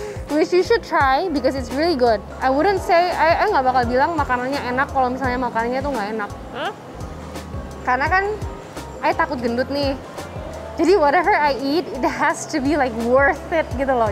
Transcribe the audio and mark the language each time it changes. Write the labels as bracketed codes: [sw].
[en] Which you should try because it's really good. [id] I nggak bakal bilang makanannya enak kalau misalnya makanannya tuh nggak enak. Karena kan I takut gendut nih. [en] Jadi whatever I eat, it has to be like worth it [id] gitu loh.